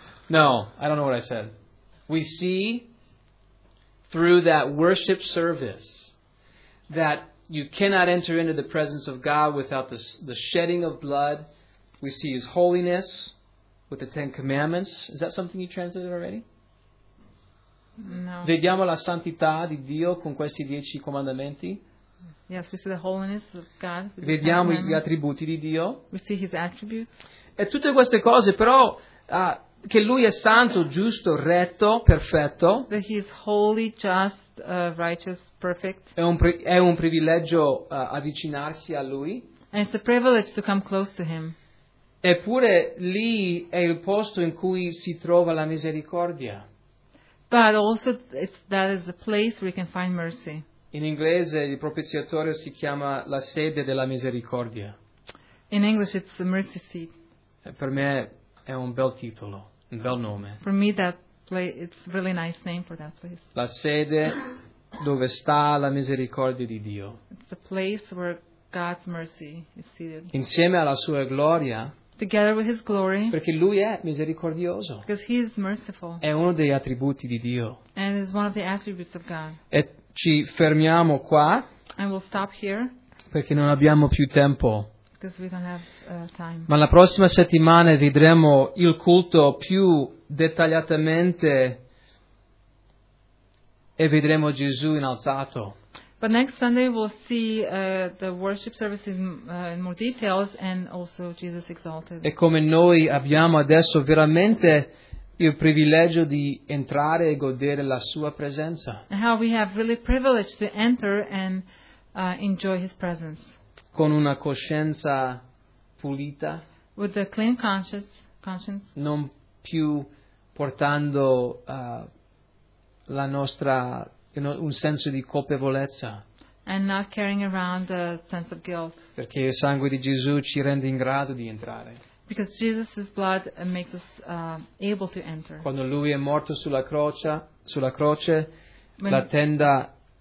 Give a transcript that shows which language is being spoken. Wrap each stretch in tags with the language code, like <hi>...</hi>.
<en>No, I don't know what I said. We see through that worship service that you cannot enter into the presence of God without the shedding of blood. We see his holiness with the Ten Commandments. Is that something you translated already? No.</en> <it>Vediamo la santità di Dio con questi 10 comandamenti.</it> <en>Yes, we see the holiness of God.</en> <it>Vediamo gli attributi di Dio.</it> <en>We see his attributes.</en> <it>E tutte queste cose, però... che lui è santo, giusto, retto, perfetto.</it> <en>That he is holy, just, righteous, perfect.</en> <it>È un privilegio avvicinarsi a lui.</it> <en>And it's a privilege to come close to him.</en> <it>Eppure lì è il posto in cui si trova la misericordia.</it> <en>But also that is the place where you can find mercy.</en> <it>In inglese il propiziatorio si chiama la sede della misericordia.</it> <en>In English it's the mercy seat.</en> <it>Per me è un bel titolo, un bel nome.</it> <en>For me that place, it's a really nice name for that place.</en> <it>La sede dove sta la misericordia di Dio.</it> <en>It's the place where God's mercy is seated.</en> <it>Insieme alla sua gloria.</it> <en>Together with his glory.</en> <it>Perché lui è misericordioso.</it> <en>Because he is merciful.</en> <it>È uno degli attributi di Dio.</it> <en>And is one of the attributes of God.</en> <it>E ci fermiamo qua.</it> <en>And we'll stop here.</en> <it>Perché non abbiamo più tempo.</it> <en>Because we don't have time.</en> <it>Ma la prossima settimana vedremo il culto più dettagliatamente e vedremo Gesù innalzato.</it> <en>But next Sunday we'll see the worship service in more details and also Jesus exalted.</en> <it>E come noi abbiamo adesso veramente il privilegio di entrare e godere la sua presenza.</it> <en>And how we have really privilege to enter and enjoy his presence.</en> <it>Con una coscienza pulita.</it> <en>With a clean conscience.</en> <it>Non più portando un senso di colpevolezza.</it> <en>And not carrying around a sense of guilt.</en> <it>Perché il sangue di Gesù ci rende in grado di entrare.</it> <en>Because Jesus' blood makes us able to enter.</en> <it>Quando lui è morto sulla croce, la tenda.</it>